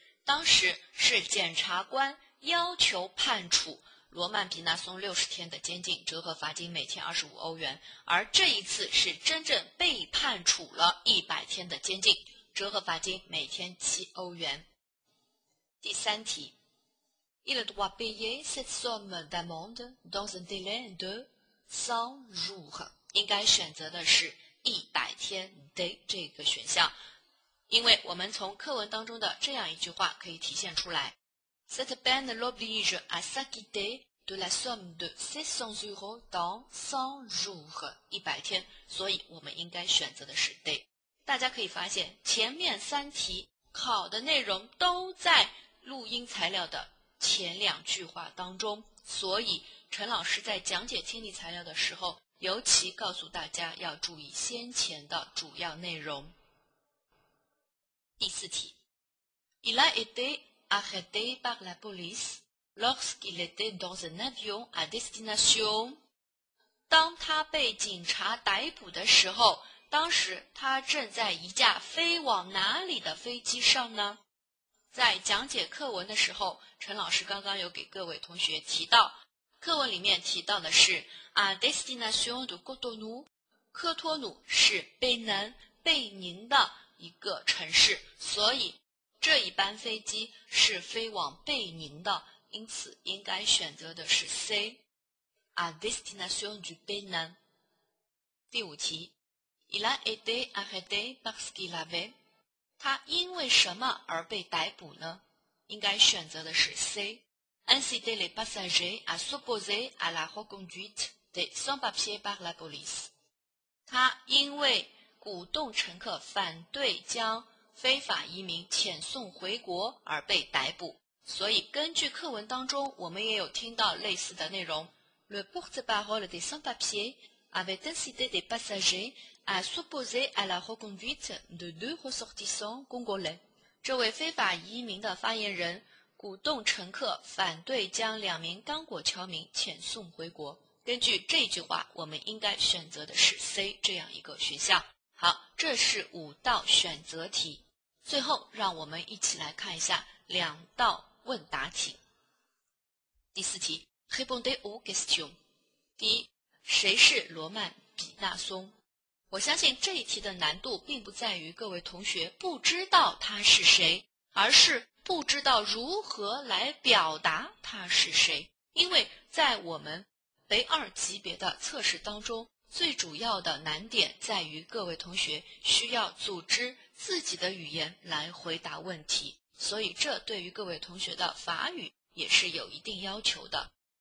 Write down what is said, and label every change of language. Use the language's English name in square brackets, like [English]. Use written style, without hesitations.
[Chinese] 当时是检察官要求判处罗曼·皮纳松60天的监禁，折合罚金每天25欧元，而这一次是真正被判处了100天的监禁，折合罚金每天7欧元。第三题， [French] Il doit payer cette somme d'amende dans un délai de 100 jours. [Chinese] 应该选择的是100天 de 这个选项。因为我们从课文当中的这样一句话可以体现出来。 [French] Cette peine l'oblige à s'acquitter de la somme de 600 euros dans 100 jours. [Chinese] 100天，所以我们应该选择的是 de。大家可以发现，前面三题考的内容都在录音材料的前两句话当中，所以陈老师在讲解听力材料的时候，尤其告诉大家要注意先前的主要内容。第四题， [French] Il a été arrêté par la police lorsqu'il était dans un avion à destination。 [Chinese] 当他被警察逮捕的时候，当时他正在一架飞往哪里的飞机上呢？在讲解课文的时候，陈老师刚刚有给各位同学提到，课文里面提到的是 [French] à destination de Cotonou， [Chinese] 科托努是贝南贝宁的一个城市，所以这一班飞机是飞往贝宁的，因此应该选择的是 C， [French] à destination du Bénin。 [Chinese] 第五题， [French] Il a été arrêté parce qu'il avait， [Chinese] 他因为什么而被逮捕呢？应该选择的是 C。 [French] Ainsi de les passagers à s'opposer à la reconduite des sans-papiers par la police。 [Chinese] 他因为鼓动乘客反对将非法移民遣送回国而被逮捕。所以根据课文当中我们也有听到类似的内容， [French] Le porte-parole des sans-papiers avait incité des passagers à s'opposer à la reconduite de deux ressortissants congolais。 [Chinese] 这位非法移民的发言人鼓动乘客反对将两名刚果侨民遣送回国。根据这句话，我们应该选择的是 C 这样一个选项。好，这是五道选择题。最后让我们一起来看一下两道问答题。第四题， [French] Répondez aux questions。 [Chinese] 第一，谁是罗曼·比纳松？我相信这一题的难度并不在于各位同学不知道他是谁，而是不知道如何来表达他是谁。因为在我们 B2 级别的测试当中，最主要的难点在于各位同学需要组织自己的语言来回答问题，所以这对于各位同学的法语也是有一定要求的。